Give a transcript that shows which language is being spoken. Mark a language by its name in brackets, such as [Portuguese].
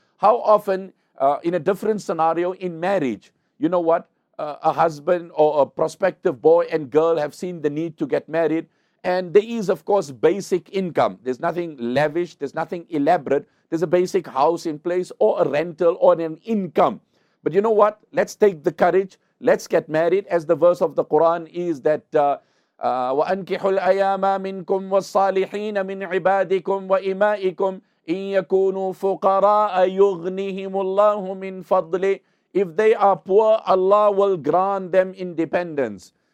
[English] How often, in a different scenario, in marriage, you know what? A husband or a prospective boy and girl have seen the need to get married. And there is, of course, basic income. There's nothing lavish. There's nothing elaborate. There's a basic house in place or a rental or an income. But you know what? Let's take the courage. Let's get married. As the verse of the Quran is that, [Arabic] وَأَنْكِحُوا الْأَيَامَ مِنْكُمْ وَالصَّالِحِينَ مِنْ عِبَادِكُمْ وَإِمَائِكُمْ إِنْ يَكُونُوا فُقَرَاءَ يُغْنِهِمُ اللَّهُ مِنْ فَضْلِهِ. [English] If they are poor, Allah will grant them independence.